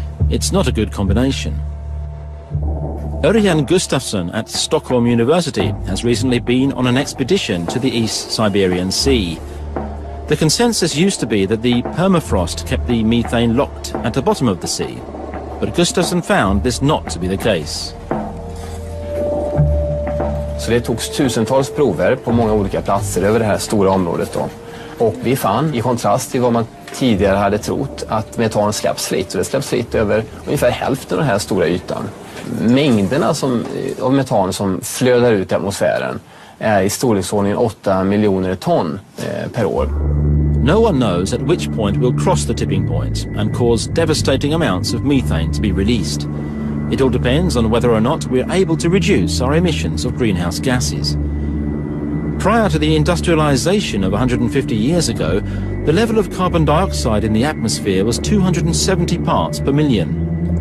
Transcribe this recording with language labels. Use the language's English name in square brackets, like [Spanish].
[English] It's not a good combination. Örjan Gustafsson at Stockholm University has recently been on an expedition to the East Siberian Sea. The consensus used to be that the permafrost kept the methane locked at the bottom of the sea, but Gustafsson found this not to be the case. [Swedish] Så det togs tusentals prover på många olika platser över det här stora området då. Och vi fann, i kontrast till vad man tidigare hade trott, att metan släpps fritt. Och det släpps fritt över ungefär hälften av den här stora ytan. Mängderna av metan som flödar ut i atmosfären är i storleksordningen 8 miljoner ton per år. [English] No one knows at which point we'll cross the tipping point and cause devastating amounts of methane to be released. It all depends on whether or not we're able to reduce our emissions of greenhouse gases. Prior to the industrialization of 150 years ago, the level of carbon dioxide in the atmosphere was 270 parts per million.